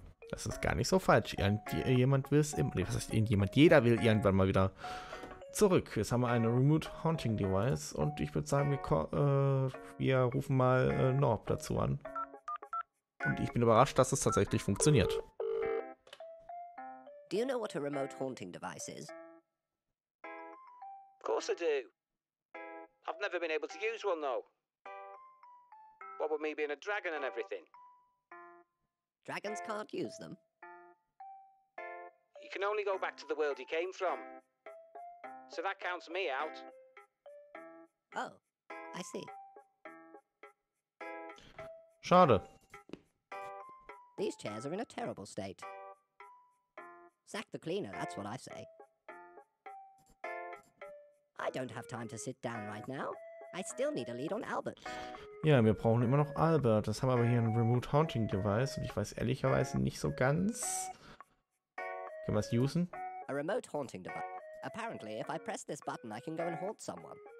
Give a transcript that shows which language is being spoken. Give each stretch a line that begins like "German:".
German: Das ist gar nicht so falsch. Jeder will irgendwann mal wieder zurück. Jetzt haben wir eine Remote Haunting Device und ich würde sagen, wir rufen mal Norb dazu an. Und ich bin überrascht, dass es tatsächlich funktioniert.
English: Do you know what a remote haunting device is? Of course I do. I've never been able to use one though. What with me being a dragon and everything? Dragons can't use them. You can only go back to the world you came from. So that counts me out. Oh, I see.
German: Schade.
English: These chairs are in a terrible state. Sack the cleaner, that's what I say. I don't have time to sit down right now. I still need a lead on Albert.
German: Ja, wir brauchen immer noch Albert. Das haben wir aber hier ein Remote Haunting Device und ich weiß ehrlicherweise nicht so ganz. Können wir es usen?
English: A remote haunting device. Apparently, if I press this button, I can go and haunt someone.